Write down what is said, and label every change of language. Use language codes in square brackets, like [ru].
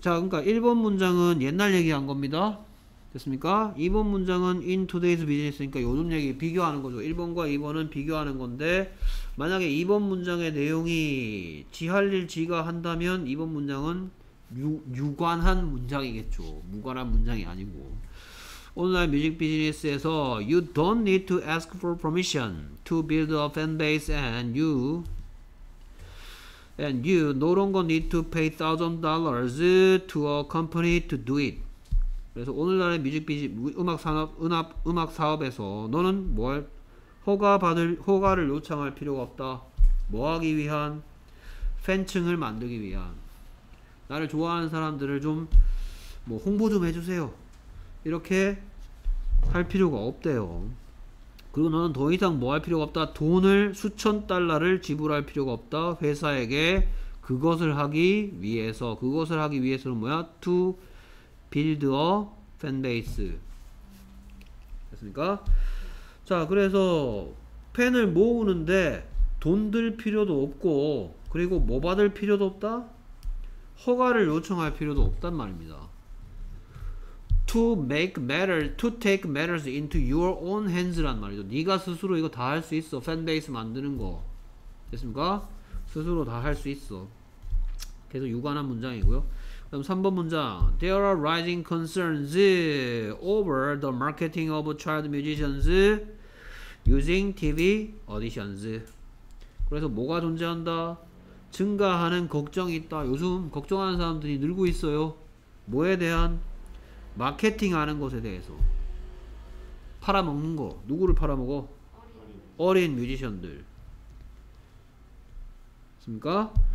[ko] 자, 그러니까 1번 문장은 옛날 얘기한 겁니다. 됐습니까? 2번 문장은 [en] in today's business [ko] 니까 요즘 얘기 비교하는 거죠. 1번과 2번은 비교하는 건데 만약에 2번 문장의 내용이 지할일 지가 한다면 2번 문장은 유관한 문장이겠죠. 무관한 문장이 아니고. 오늘날 뮤직 비즈니스에서 [en] you don't need to ask for permission to build a fan base and you no longer need to pay $1,000 to a company to do it. [ko] 그래서 오늘날의 뮤직 비즈 음악 산업 음악 사업에서 너는 뭘 허가를 요청할 필요가 없다. 뭐 하기 위한 팬층을 만들기 위한 나를 좋아하는 사람들을 좀뭐 홍보 좀 해주세요. 이렇게 할 필요가 없대요. 그리고 너는 더 이상 뭐할 필요가 없다. 돈을 수천 달러를 지불할 필요가 없다. 회사에게 그것을 하기 위해서. 그것을 하기 위해서는 뭐야? [en] To build a fan base. [ko] 됐습니까? 자, 그래서 팬을 모으는데 돈들 필요도 없고 그리고 뭐 받을 필요도 없다. 허가를 요청할 필요도 없단 말입니다. [en] To take matters into your own hands [ko] 란 말이죠. 네가 스스로 이거 다할수 있어. 팬베이스 만드는 거. 됐습니까? 스스로 다할수 있어. 계속 유관한 문장이고요. 그럼 3번 문장. [en] There are rising concerns over the marketing of child musicians using TV auditions. [ko] 그래서 뭐가 존재한다? 증가하는 걱정이 있다. 요즘 걱정하는 사람들이 늘고 있어요. 뭐에 대한? 마케팅하는 것에 대해서. 팔아먹는 거. 누구를 팔아먹어? 어린 뮤지션들. 맞습니까?